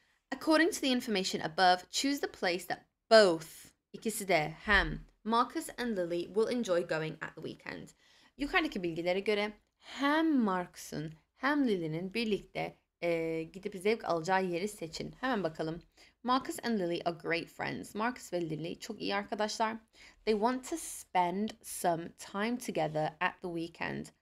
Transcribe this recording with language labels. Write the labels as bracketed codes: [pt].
[en] According to the information above, choose the place that both, [tr] ikisi de hem, [en] Marcus and Lily will enjoy going at the weekend. [tr] Yukarıdaki bilgilere göre hem Marcus'un hem Lily'nin birlikte gidip zevk alacağı yeri seçin. Hemen bakalım. [en] Marcus and Lily are great friends. [tr] Marcus ve Lily çok iyi arkadaşlar. [en] They want to spend some time together at the weekend.